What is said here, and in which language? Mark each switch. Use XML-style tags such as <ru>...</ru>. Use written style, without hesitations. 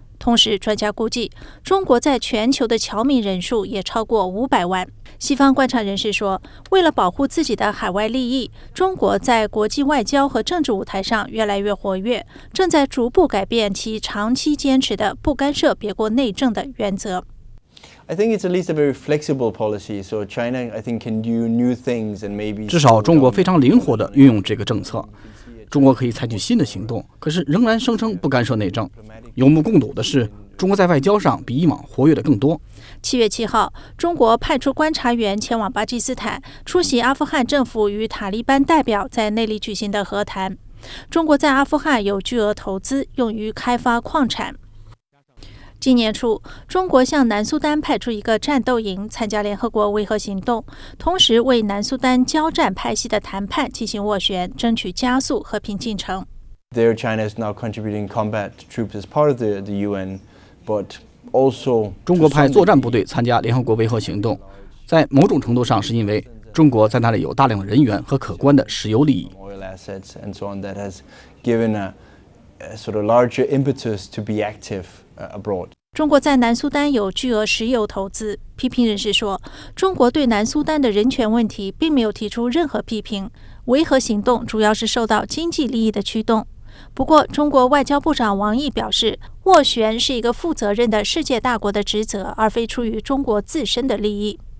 <zh>同时，专家估计，中国在全球的侨民人数也超过500万。西方观察人士说，为了保护自己的海外利益，中国在国际外交和政治舞台上越来越活跃，正在逐步改变其长期坚持的不干涉别国内政的原则。</zh> <en>I think it's at least a very flexible policy. So China, I think, can do new things and maybe.</en> <zh>至少中国非常灵活地运用这个政策。中国可以采取新的行动，可是仍然声称不干涉内政。有目共睹的是，中国在外交上比以往活跃的更多。 7月7号，中国派出观察员前往巴基斯坦，出席阿富汗政府与塔利班代表在那里举行的和谈。中国在阿富汗有巨额投资，用于开发矿产。今年初，中国向南苏丹派出一个战斗营参加联合国维和行动，同时为南苏丹交战派系的谈判进行斡旋，争取加速和平进程。</zh> <en>There, China is now contributing combat troops as part of the UN, but also</en> <zh>中国派作战部队参加联合国维和行动，在某种程度上是因为中国在那里有大量的人员和可观的石油利益。</zh> <en>Oil assets and so on that has given a sort of larger impetus to be active.</en> <zh>中国在南苏丹有巨额石油投资。批评人士说，中国对南苏丹的人权问题并没有提出任何批评，维和行动主要是受到经济利益的驱动。不过，中国外交部长王毅表示，斡旋是一个负责任的世界大国的职责，而非出于中国自身的利益。</zh>